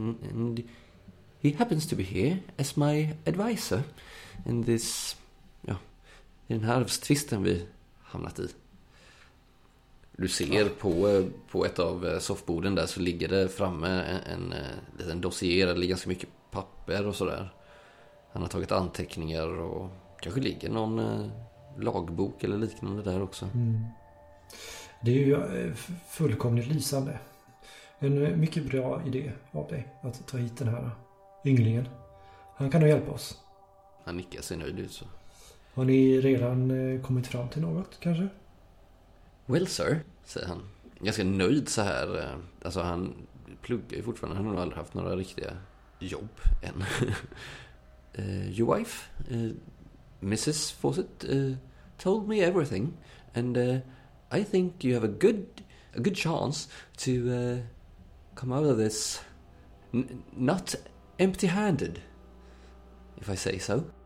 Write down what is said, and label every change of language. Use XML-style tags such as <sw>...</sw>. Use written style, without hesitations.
<en>And he happens to be here as my advisor. In this...</en> <sv>Ja, i den här arvstvisten vi hamnat i. Du ser på ett av soffborden där så ligger det framme en liten dossier. Det ligger ganska mycket papper och sådär. Han har tagit anteckningar och... Kanske ligger någon lagbok eller liknande där också. Mm. Det är ju fullkomligt lysande. En mycket bra idé av dig att ta hit den här ynglingen. Han kan ju hjälpa oss. Han nickar sig nöjd ut så. Har ni redan kommit fram till något kanske?</sv> <en>Well sir,</en> <sv>säger han. Ganska nöjd så här. Alltså han pluggar ju fortfarande. Han har aldrig haft några riktiga jobb än.</sv> <en>Your wife... Mrs. Fawcett told me everything, and I think you have a good chance to come out of this not empty-handed, if I say so.</en>